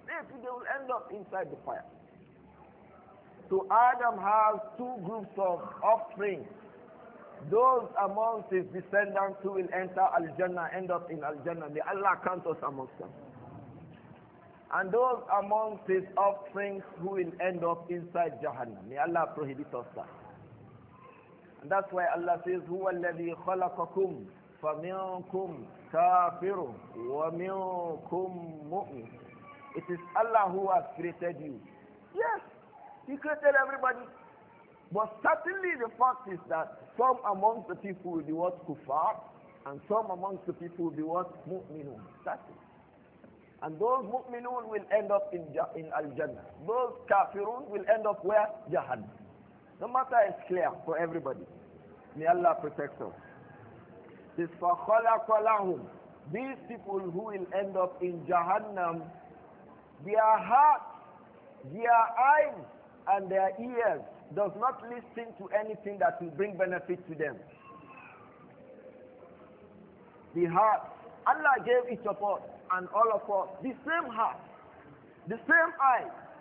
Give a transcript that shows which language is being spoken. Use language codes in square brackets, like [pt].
[en] They will end up inside the fire. So Adam has two groups of offspring. Those amongst his descendants who will enter Al-Jannah, end up in Al-Jannah. May Allah count us amongst them. And those amongst his offspring who will end up inside Jahannam. May Allah prohibit us that. And that's why Allah says, [ar] هُوَ الَّذِي خَلَقَكُمْ فَمِنْكُمْ كَافِرٌ وَمِنْكُمْ مُؤْمِنٌ. [en] It is Allah who has created you. Yes, He created everybody. But certainly the fact is that some amongst the people will be what? Kufar. And some amongst the people will be what? Mu'minun. That's it. And those mu'minun will end up in Al-Jannah. Those kafirun will end up where? Jahannam. The matter is clear for everybody. May Allah protect us. This [ar] فَخَلَقَ لَهُمْ. [en] These people who will end up in Jahannam, their hearts, their eyes, and their ears does not listen to anything that will bring benefit to them. the heart. Allah gave each of us and all of us the same heart, the same eyes.